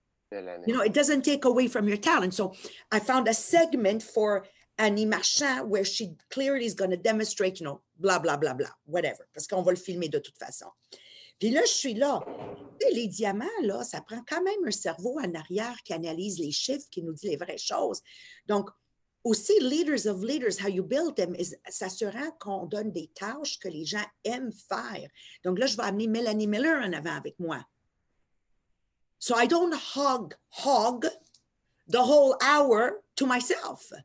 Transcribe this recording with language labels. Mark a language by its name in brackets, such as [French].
[English] You know, it doesn't take away from your talent. So I found a segment for Annie Marchand where she clearly is going to demonstrate, you know, blah, blah, blah, blah, whatever. [French] Parce qu'on va le filmer de toute façon. Puis là, je suis là. Et les diamants, là, ça prend quand même un cerveau en arrière qui analyse les chiffres, qui nous dit les vraies choses. Donc, aussi, [English] leaders of leaders, how you build them, is [French] s'assurant qu'on donne des tâches que les gens aiment faire. Donc là, je vais amener Melanie Miller en avant avec moi. [English] So I don't hog the whole hour to myself.